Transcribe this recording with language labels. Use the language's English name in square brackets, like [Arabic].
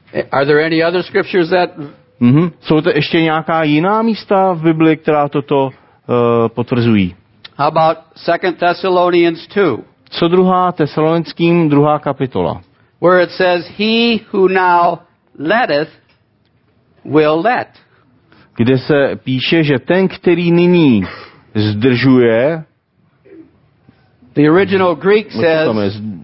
[English] Are there any other scriptures that? [Czech] Jsou to ještě nějaká jiná místa v Bibli, která toto potvrzují? [English] How about 2 Thessalonians 2? [Czech] Co druhá Tesalonickým, druhá kapitola? [English] Where it says, "He who now letteth will let." [Czech] Kde se píše, že ten, který nyní zdržuje. [English] The original Greek says,